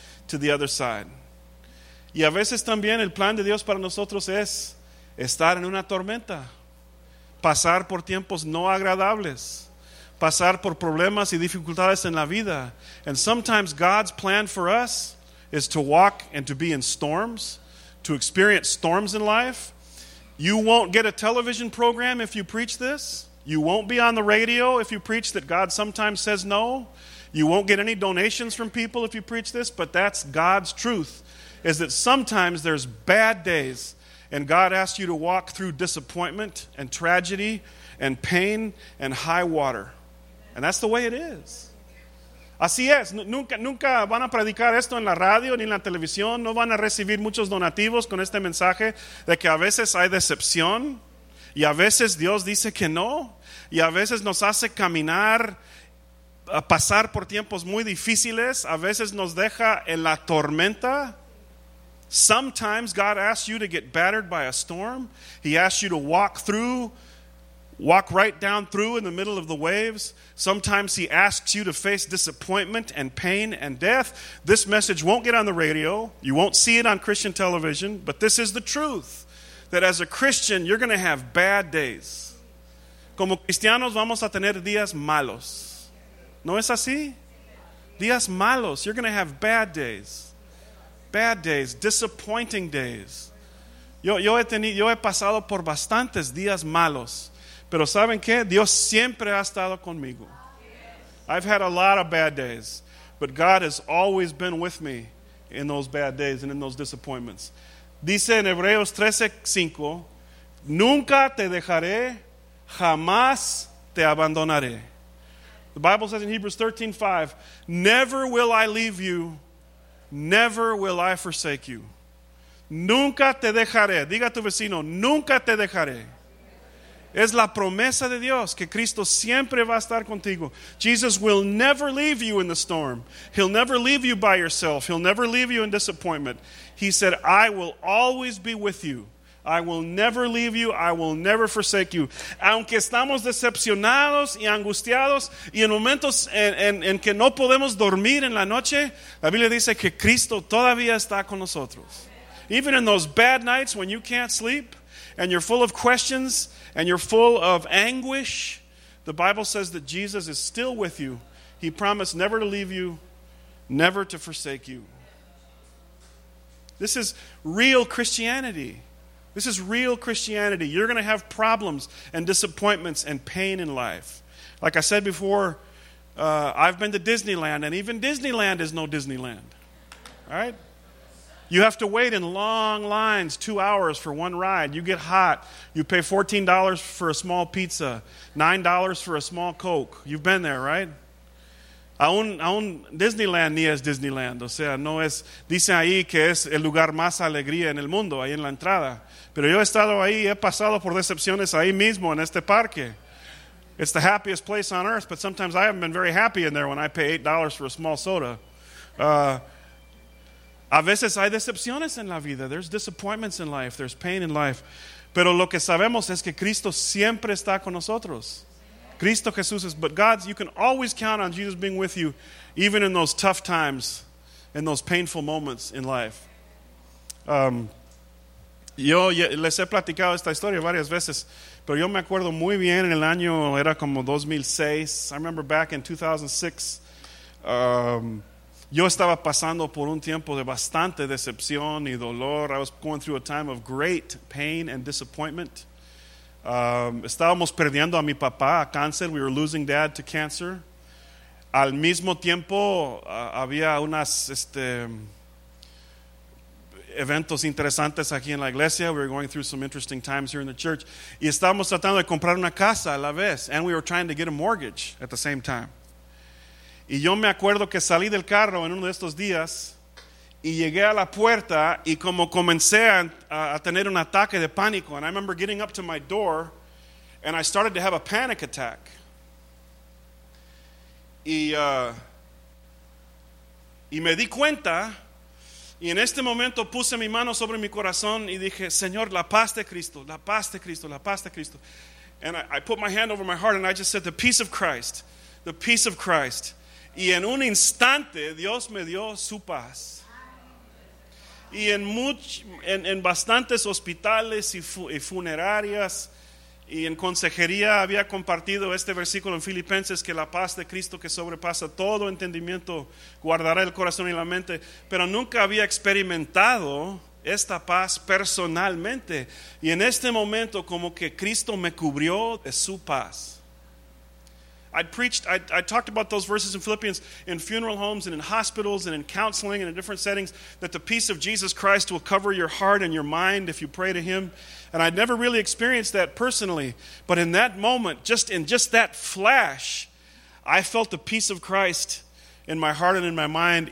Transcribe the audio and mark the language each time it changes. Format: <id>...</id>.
<en>to the other side.</en> <es>Y a veces también el plan de Dios para nosotros es estar en una tormenta, pasar por tiempos no agradables, pasar por problemas y dificultades en la vida.</es> <en>And sometimes God's plan for us is to walk and to be in storms, to experience storms in life. You won't get a television program if you preach this. You won't be on the radio if you preach that God sometimes says no. You won't get any donations from people if you preach this, but that's God's truth, is that sometimes there's bad days and God asks you to walk through disappointment and tragedy and pain and high water. And that's the way it is.</en> <es>Así es. Nunca van a predicar esto en la radio ni en la televisión. No van a recibir muchos donativos con este mensaje de que a veces hay decepción y a veces Dios dice que no y a veces nos hace caminar a pasar por tiempos muy difíciles, a veces nos deja en la tormenta.</es> <en>Sometimes God asks you to get battered by a storm. He asks you to walk right down through in the middle of the waves. Sometimes he asks you to face disappointment and pain and death. This message won't get on the radio. You won't see it on Christian television, but this is the truth, that as a Christian, you're going to have bad days.</en> <es>Como cristianos vamos a tener días malos. ¿No es así? Días malos.</es> <en>You're going to have bad days. Bad days. Disappointing days.</en> <es>Yo he pasado por bastantes días malos. Pero ¿saben qué? Dios siempre ha estado conmigo.</es> <en>I've had a lot of bad days. But God has always been with me in those bad days and in those disappointments.</en> <es>Dice en Hebreos 13:5, nunca te dejaré, jamás te abandonaré.</es> <en>The Bible says in Hebrews 13:5, never will I leave you, never will I forsake you.</en> <es>Nunca te dejaré. Diga a tu vecino, nunca te dejaré. Es la promesa de Dios que Cristo siempre va a estar contigo.</es> <en>Jesus will never leave you in the storm. He'll never leave you by yourself. He'll never leave you in disappointment. He said, I will always be with you. I will never leave you, I will never forsake you.</en> <es>Aunque estamos decepcionados y angustiados y en momentos en que no podemos dormir en la noche, la Biblia dice que Cristo todavía está con nosotros.</es> <en>Even in those bad nights when you can't sleep and you're full of questions and you're full of anguish, the Bible says that Jesus is still with you. He promised never to leave you, never to forsake you. This is real Christianity. This is real Christianity. You're going to have problems and disappointments and pain in life. Like I said before, I've been to Disneyland, and even Disneyland is no Disneyland. All right? You have to wait in long lines, 2 hours for one ride. You get hot. You pay $14 for a small pizza, $9 for a small Coke. You've been there, right?</en> <es>Aún Disneyland ni es Disneyland. O sea, no es, dicen ahí que es el lugar más alegría en el mundo, ahí en la entrada. Pero yo he estado ahí, he pasado por decepciones ahí mismo en este parque.</es> <en>It's the happiest place on earth, but sometimes I haven't been very happy in there when I pay $8 for a small soda.</en> <es>A veces hay decepciones en la vida.</es> <en>There's disappointments in life.</en> <es>There's pain in life. Pero lo que sabemos es que Cristo siempre está con nosotros.</es> <en>Cristo Jesús is, but God, you can always count on Jesus being with you, even in those tough times, in those painful moments in life.</en> <es>Yo les he platicado esta historia varias veces, pero yo me acuerdo muy bien en el año, era como 2006.</es> <en>I remember back in 2006,</en> <es>yo estaba pasando por un tiempo de bastante decepción y dolor.</es> <en>I was going through a time of great pain and disappointment.</en> <es>Estábamos perdiendo a mi papá a cáncer.</es> <en>We were losing dad to cancer.</en> <es>Al mismo tiempo, había unas eventos interesantes aquí en la iglesia.</es> <en>We were going through some interesting times here in the church.</en> <es>Y estábamos tratando de comprar una casa a la vez.</es> <en>And we were trying to get a mortgage at the same time.</en> <es>Y yo me acuerdo que salí del carro en uno de estos días y llegué a la puerta y como comencé a tener un ataque de pánico.</es> <en>And I remember getting up to my door and I started to have a panic attack.</en> <es>Y me di cuenta. Y en este momento puse mi mano sobre mi corazón y dije, Señor, la paz de Cristo, la paz de Cristo, la paz de Cristo.</es> <en>And I put my hand over my heart and I just said, the peace of Christ, the peace of Christ.</en> <es>Y en un instante Dios me dio su paz. Y en bastantes hospitales y funerarias y en consejería había compartido este versículo en Filipenses, que la paz de Cristo que sobrepasa todo entendimiento guardará el corazón y la mente, pero nunca había experimentado esta paz personalmente. Y en este momento, como que Cristo me cubrió de su paz.</es> <en>I talked about those verses in Philippians in funeral homes and in hospitals and in counseling and in different settings, that the peace of Jesus Christ will cover your heart and your mind if you pray to Him. And I'd never really experienced that personally. But in that moment, just in just that flash, I felt the peace of Christ in my heart and in my mind.</en>